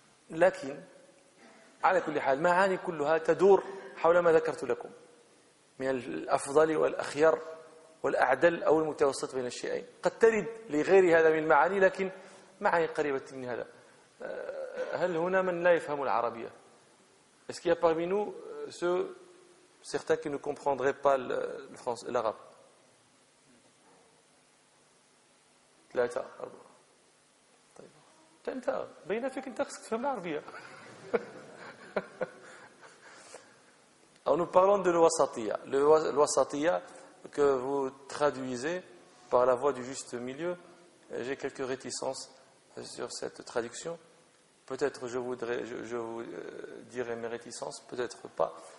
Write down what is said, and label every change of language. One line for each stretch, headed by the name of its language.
Arabic: لكن على كل حال، معاني كلها تدور حول ما ذكرت لكم من الأفضل والأخير والأعدل أو المتوسط بين الشيئين. قد ترد لغير هذا من المعاني لكن معاني قريبة من هذا. هل هنا من لا يفهم العربية؟
French: Est-ce qu'il y a parmi nous ceux, certains qui ne comprendraient pas le français, l'arabe?
Arabic: ثلاثة أربعة. طيب. أنت بين فيك أنت خصك تفهم العربية.
French: Nous parlons de l'ouassatiya. L'ouassatiya que vous traduisez par la voie du juste milieu, j'ai quelques réticences sur cette traduction. Peut-être je vous dirai mes réticences, peut-être pas.